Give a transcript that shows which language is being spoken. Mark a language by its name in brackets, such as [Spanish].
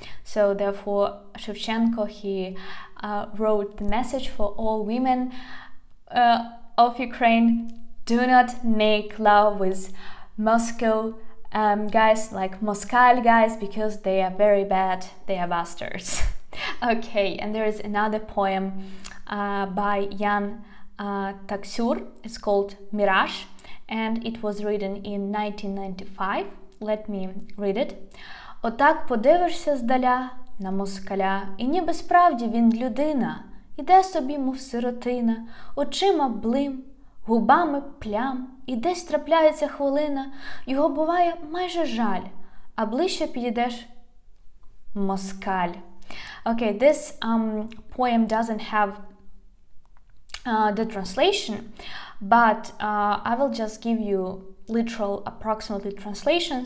[English] So therefore Shevchenko, he wrote the message for all women of Ukraine: do not make love with Moscow guys, like Moscow guys, because they are very bad, they are bastards. Okay, and there is another poem by Jan Taksur. It's called Mirage, and it was written in 1995. Let me read it. [Ukrainian] Отак подивишся здаля на москаля, і ніби справді він людина, іде собі, мов сиротина, очима блим, губами плям, і десь трапляється хвилина, його буває майже жаль, а ближче підійдеш – москаль. [English] Okay, this poem doesn't have the translation, but I will just give you literal, approximately translation.